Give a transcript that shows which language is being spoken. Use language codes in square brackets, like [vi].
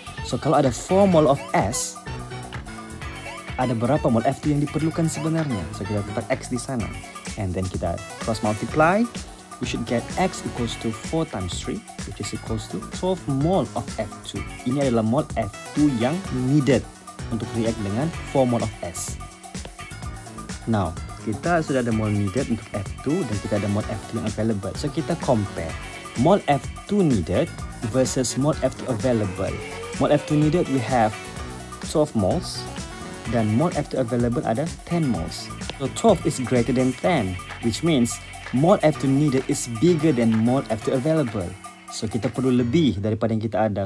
[ms] So kalau ada 4 mole of S, ada berapa mole F2 yang diperlukan sebenarnya? So kita letak X di sana. [en] And then [ms] kita [en] cross multiply, we should get X equals to 4 times 3, which is equals to 12 mole of F2. [ms] Ini adalah mole F2 yang [en] needed [ms] untuk react dengan 4 mole of S. Now, kita sudah ada mole [en] needed [ms] untuk F2 dan kita ada mole F2 yang [en] available. So [ms] kita [en] compare mole F2 needed versus mole F2 available. Mole F2 needed we have 12 moles, [ms] dan [en] mole F2 available [ms] ada [en] 10 moles. So 12 is greater than 10, which means mole F2 needed is bigger than mole F2 available. [ms] So kita perlu lebih daripada yang kita ada.